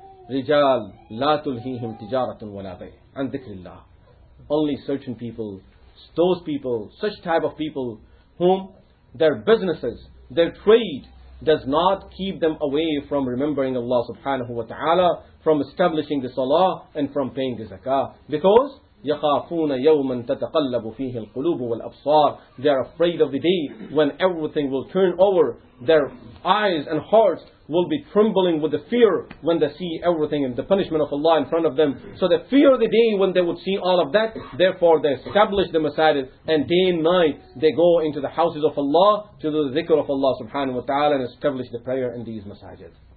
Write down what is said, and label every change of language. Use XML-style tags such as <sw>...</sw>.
<ar>رِجَال لَا تُلْهِيهِمْ تِجَارَةٌ وَلَا بَيْهِ عَنْ ذِكْرِ اللَّهِ.</ar> <en>Only certain people, those people, such type of people whom their businesses, their trade does not keep them away from remembering Allah subhanahu wa ta'ala, from establishing the salah and from paying the zakah. Because</en> <ar>يَخَافُونَ يَوْمًا تَتَقَلَّبُ فِيهِ الْقُلُوبُ وَالْأَبْصَارِ.</ar> <en>They are afraid of the day when everything will turn over, their eyes and hearts will be trembling with the fear when they see everything and the punishment of Allah in front of them. So they fear the day when they would see all of that. Therefore they establish the masajid and day and night they go into the houses of Allah to do the dhikr of Allah subhanahu wa ta'ala and establish the prayer in these masajid.</en>